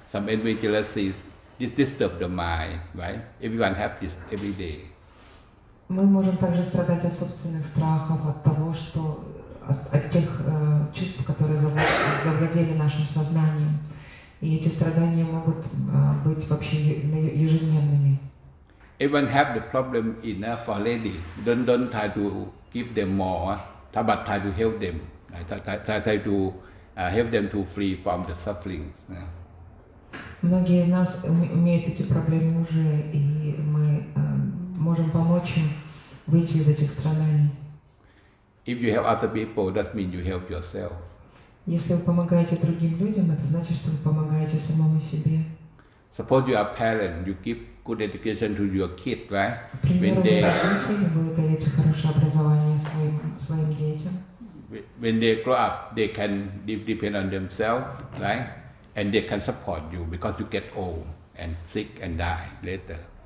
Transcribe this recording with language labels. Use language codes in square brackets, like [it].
[en] Some envy, jealousy, this disturbs the mind, right? Everyone has this every day. [ru] Мы можем также страдать от собственных страхов, от того, что от тех чувств, которые завладели нашим сознанием. И эти страдания могут быть вообще ежедневными. [en] Everyone have the problem enough already. Don't try to give them more, but try to help them. Try to help them to free from the sufferings. [ru] Многие из нас имеют эти проблемы уже, и мы можем помочь им выйти из этих страданий. [en] If you help other people, that means you help yourself. [ru] Если вы помогаете другим людям, это значит, что вы помогаете самому себе. [en] Suppose you are a parent, you give good education to your kid, right? When they [ru] своим детям. [en] When they grow up, they can depend on themselves, right? And they can support you because you get old and sick and die later.